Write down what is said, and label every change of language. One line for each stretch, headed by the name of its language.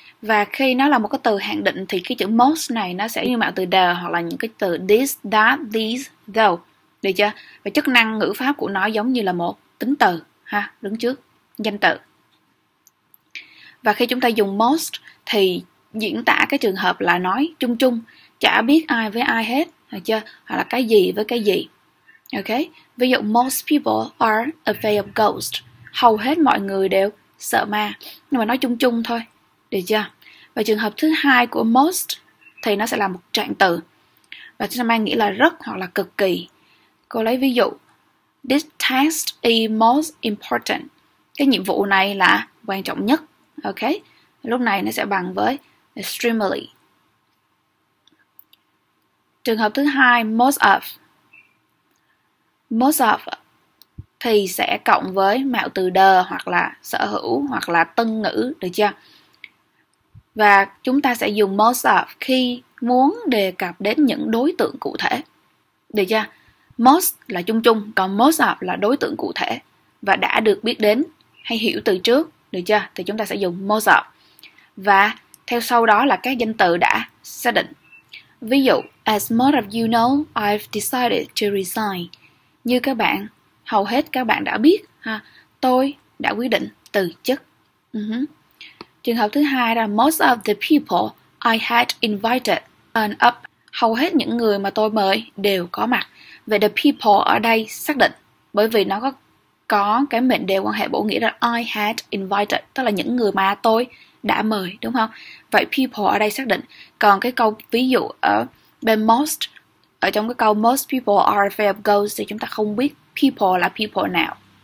Vietnamese: Và khi nó là một cái từ hạn định thì cái chữ most này nó sẽ như mạo từ the hoặc là những cái từ this, that, these, though. Được chưa? Và chức năng ngữ pháp của nó giống như là một tính từ ha, đứng trước danh từ. Và khi chúng ta dùng most thì diễn tả cái trường hợp là nói chung chung, chả biết ai với ai hết, được chưa? Hoặc là cái gì với cái gì. Ok? Ví dụ
English: most people are afraid of ghosts.
Vietnamese: Hầu hết mọi người đều sợ ma. Nhưng mà nói chung chung thôi. Được chưa? Và trường hợp thứ hai của most thì nó sẽ là một trạng từ. Và chúng ta mang nghĩa là rất hoặc là cực kỳ. Cô lấy ví dụ.
English: This task is most important.
Vietnamese: Cái nhiệm vụ này là quan trọng nhất. Ok? Lúc này nó sẽ bằng với extremely. Trường hợp thứ hai, most of. Most of thì sẽ cộng với mạo từ the hoặc là sở hữu hoặc là tân ngữ, được chưa? Và chúng ta sẽ dùng most of khi muốn đề cập đến những đối tượng cụ thể, được chưa? Most là chung chung, còn most of là đối tượng cụ thể và đã được biết đến hay hiểu từ trước, được chưa? Thì chúng ta sẽ dùng most of. Và theo sau đó là các danh từ đã xác định. Ví dụ,
English: as most of you know, I've decided to resign.
Vietnamese: Như các bạn, hầu hết các bạn đã biết ha, tôi đã quyết định từ chức. Trường hợp thứ hai là
English: most of the people I had invited turned up.
Vietnamese: Hầu hết những người mà tôi mời đều có mặt. Vậy the people ở đây xác định bởi vì nó có cái mệnh đề quan hệ bổ nghĩa là
English: I had invited,
Vietnamese: tức là những người mà tôi đã mời, đúng không? Vậy people ở đây xác định. Còn cái câu ví dụ ở bên most, ở trong cái câu
English: most people are afraid of ghosts
Vietnamese: thì chúng ta không biết people là people nào.